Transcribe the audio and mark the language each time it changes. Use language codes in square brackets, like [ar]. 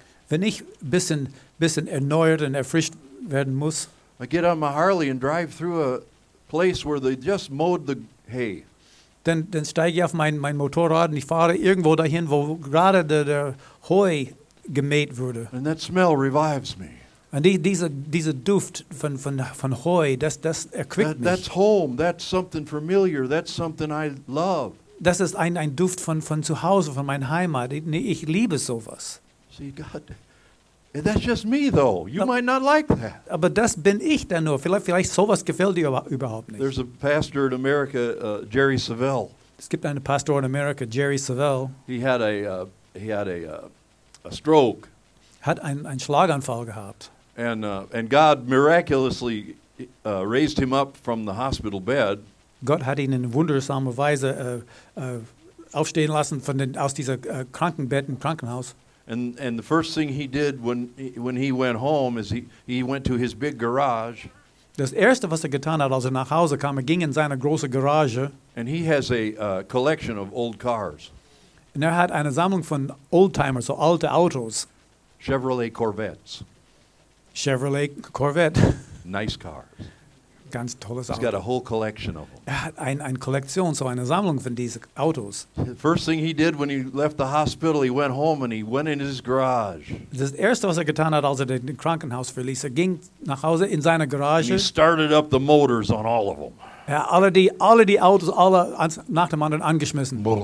[de] wenn ich bisschen erneuert und erfrischt werden muss, [en] I get on my Harley and drive through a place where they just mowed the hay. [de] Dann steige ich auf mein Motorrad und ich fahre irgendwo dahin, wo gerade der Heu gemäht wurde. [en] And that smell revives me. [de] Und diese Duft von Heu, das erquickt mich. [en] That's home. That's something familiar. That's something I love. [de] Das ist ein Duft von zu Hause, von meiner Heimat. Ich liebe sowas. [en] See, God, that's just me, though. Might not like that. [de] Aber das bin ich dann nur. Vielleicht sowas gefällt dir überhaupt nicht. [en] There's a pastor in America, Jerry Savelle. [de] Es gibt einen Pastor in Amerika, Jerry Savelle. [en] He had a stroke. [de] Hat einen Schlaganfall gehabt. [en] And God miraculously raised him up from the hospital bed. [de] Gott hat ihn in wundersamer Weise aufstehen lassen aus diesem Krankenbett im Krankenhaus. [en] And the first thing he did when he went home is he went to his big garage. [de] Das erste, was getan hat, als nach Hause kam, ging in seine große Garage. [en] And he has a collection of old cars. [de] Und hat eine Sammlung von Oldtimers, so alte Autos. [en] Chevrolet Corvettes. [de] Chevrolet Corvette. [en] Nice cars. [de] Ganz tolles [en] He's [de] Auto. [en] Got a whole collection of them. [de] Er hat eine Kollektion, so eine Sammlung von diesen Autos. [en] The first thing he did when he left the hospital, he went home and he went in his garage. [de] Das erste, was getan hat, als den Krankenhaus verließ, ging nach Hause in seine Garage. [en] And he started up the motors on all of them. [de] Ja, alle die Autos, alle nach dem anderen angeschmissen.